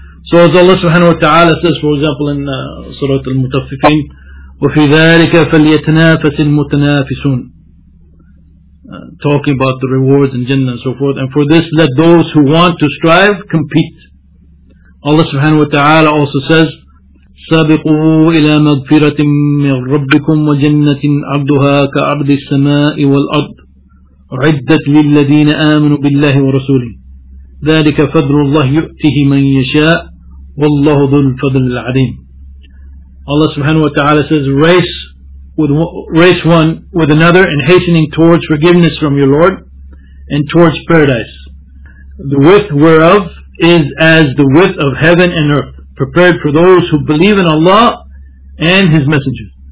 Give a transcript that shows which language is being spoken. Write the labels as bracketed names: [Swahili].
[English] So as Allah subhanahu wa ta'ala says, for example, in Surah Al-Mutaffifin, [Arabic] وَفِي ذَٰلِكَ فَلْيَتَنَافَسِ الْمُتَنَافِسُونَ, [English] talking about the rewards in Jannah and so forth. And for this, let those who want to strive compete. Allah subhanahu wa ta'ala also says, [Arabic] سَابِقُوا إِلَى مَغْفِرَةٍ مِّن رَبِّكُمْ وَجَنَّةٍ عَبْدُهَا كَعَبْدِ السَّمَاءِ وَالْأَرْضِ عِدَّتْ لِلَّذِينَ آمَنُوا بِاللَّهِ وَرَسُولِهِ ذَلِكَ فَضْلُ اللَّهِ يُؤْتِهِ مَن يَشَاءُ وَاللَّهُ ذُو الْفَضْلِ الْعَظِيمِ. [English] Allah subhanahu wa ta'ala says, race one with another in hastening towards forgiveness from your Lord and towards paradise, the width whereof is as the width of heaven and earth, prepared for those who believe in Allah and His Messenger.